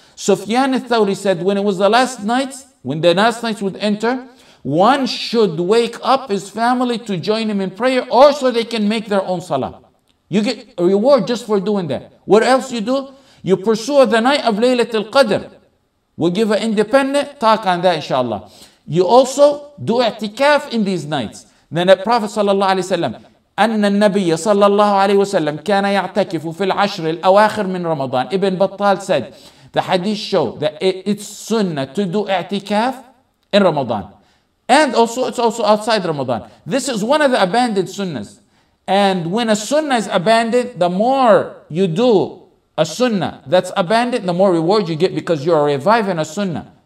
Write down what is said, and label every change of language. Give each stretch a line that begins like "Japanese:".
English: Sufyan al-Thawri said when it was the last nights, when the last nights would enter, one should wake up his family to join him in prayer or so they can make their own salah. You get a reward just for doing that. What else you do? You pursue the night of Laylatul Qadr. We'll give an independent talk on that, inshallah. You also do i'tikaf in these nights. Then the Prophet sallallahu alaihi wasallam,
Arabic: أن النبي صلى الله عليه وسلم كان يعتكف في العشر الأواخر من رمضان.
English: ابن بطال said, the hadith show that it's sunnah to do i'tikaf in Ramadan. And also, it's also outside Ramadan. This is one of the abandoned sunnahs. And when a sunnah is abandoned, the more you do a sunnah that's abandoned, the more reward you get because you are reviving a sunnah.